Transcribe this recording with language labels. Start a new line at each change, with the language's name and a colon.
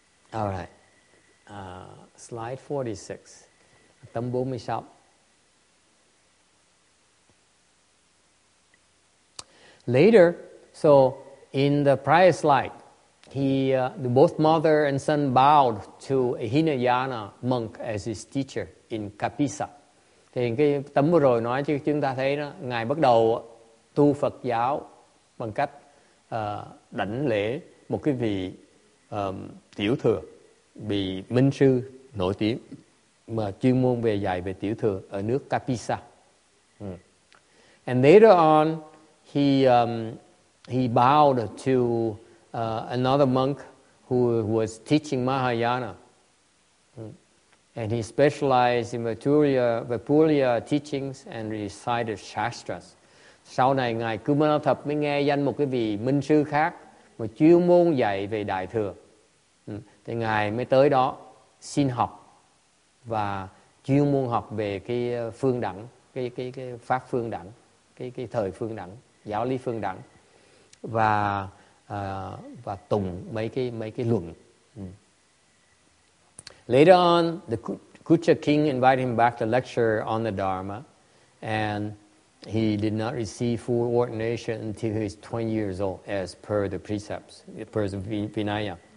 English: All right. Slide 46.
Vietnamese: Tâm 46.
English: Later, so in the prior slide, both mother and son bowed to a Hinayana monk as his teacher in Kapisa.
Vietnamese: Thì cái tấm vừa rồi nói chứ chúng ta thấy đó, ngài bắt đầu tu Phật giáo bằng cách đảnh lễ một cái vị tiểu thừa, vị minh sư nổi tiếng mà chuyên môn về dạy về tiểu thừa ở nước Kapisa.
English: And later on, he bowed to another monk who was teaching Mahayana. And he specialized in Vipulya teachings and recited shastras.
Vietnamese: Sau này ngài Kumarathap mới nghe danh một cái vị minh sư khác mà chuyên môn dạy về đại thừa. Thì ngài mới tới đó xin học và chuyên môn học về cái phương đẳng, cái pháp phương đẳng, cái thời phương đẳng, giáo lý phương đẳng và tụng mấy cái luận.
English: Later on, the Kucha king invited him back to lecture on the Dharma, and he did not receive full ordination until he was 20 years old, as per the precepts, per the Vinaya.